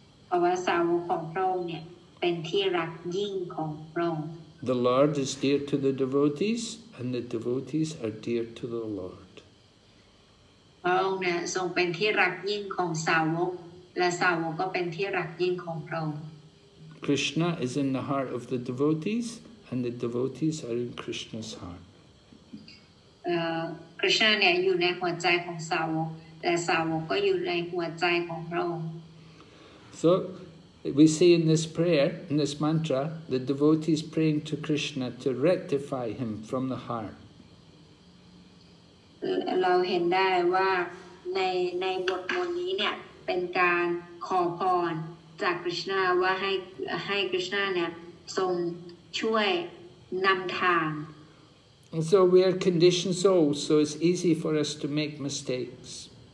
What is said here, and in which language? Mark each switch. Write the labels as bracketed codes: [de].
[en] The Lord is dear to the devotees, and the devotees are dear to the Lord. Krishna is in the heart of the devotees, and the devotees are in Krishna's heart. [th] Krishna เนี่ยอยู่ในหัวใจของสาวกและสาวกก็อยู่ในหัวใจของพระองค์ [en] So we see in this prayer, in this mantra, the devotee is praying to Krishna to rectify him from the heart. [th] เราเห็นได้ว่าในบทมนต์นี้เนี่ยเป็นการขอพรจาก Krishna ว่าให้ Krishna เนี่ยทรงช่วยนำทาง [en] And so we are conditioned souls, so it's easy for us to make mistakes.